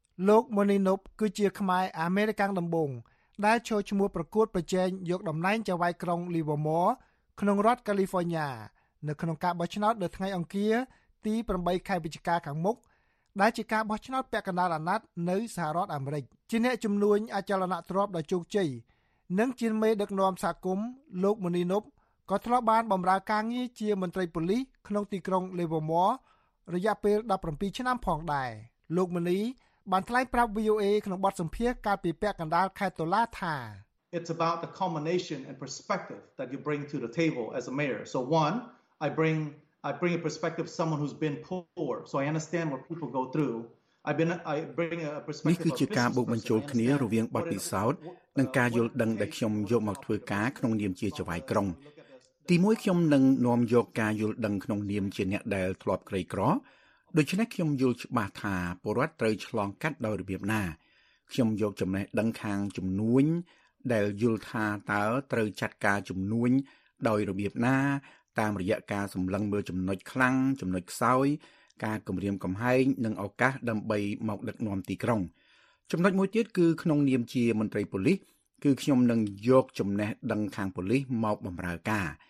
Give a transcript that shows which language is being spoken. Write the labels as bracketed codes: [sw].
[km] លោកមូនីណុបគឺជាខ្មែរអាមេរិកាំងដំបូងដែលឈរឈ្មោះប្រកួតប្រជែងយកតំណែងជាវ៉ៃក្រុង Livermore ក្នុងរដ្ឋ California នៅក្នុងការបោះឆ្នោតនៅថ្ងៃអង្គារទី8ខែវិច្ឆិកាខាងមុខដែលជាការបោះឆ្នោតពាក់កណ្ដាលអាណត្តិនៅសហរដ្ឋអាមេរិកជាអ្នកជំនួញអចលនទ្រព្យដ៏ជោគជ័យ និងជាមេដឹកនាំសហគមន៍លោកមូនីណុបក៏ធ្លាប់បានបម្រើការងារជាមន្ត្រីប៉ូលីសក្នុងទីក្រុង Livermore រយៈពេល17ឆ្នាំផងដែរលោកមូនីបានថ្លែងប្រាប់ VOA ក្នុងបទសម្ភាសន៍កាលពីពាក់កណ្ដាលខែតុលាថា [en] It's about the combination and perspective that you bring to the table as a mayor. So one, I bring a perspective of someone who's been poor, so I understand what people go through. I bring a perspective. [km] នេះគឺជាការបូកបញ្ចូលគ្នារវាងបទពិសោធន៍និងការយល់ដឹងដែលខ្ញុំយកមកធ្វើការក្នុងនាមជាចៅហ្វាយក្រុងទីមួយខ្ញុំនឹងនាំយកការយល់ដឹងក្នុងនាមជាអ្នកដែលធ្លាប់ក្រីក្រ ដូច្នេះខ្ញុំយល់ច្បាស់ថាពលរដ្ឋត្រូវឆ្លងកាត់ដោយរបៀបណាខ្ញុំយកចំណេះដឹងខាងជំនួញដែលយល់ថាតើត្រូវຈັດការជំនួញដោយរបៀបណាតាមរយៈការសម្លឹងមើលចំណុចខ្លាំងចំណុចខ្សោយការគម្រាមកំហែងនិងឱកាសដើម្បីមកដឹកនាំទីក្រុងចំណុចមួយទៀតគឺក្នុងនាមជាមន្ត្រីប៉ូលីសគឺខ្ញុំនឹងយកចំណេះដឹងខាងប៉ូលីសមកបម្រើការ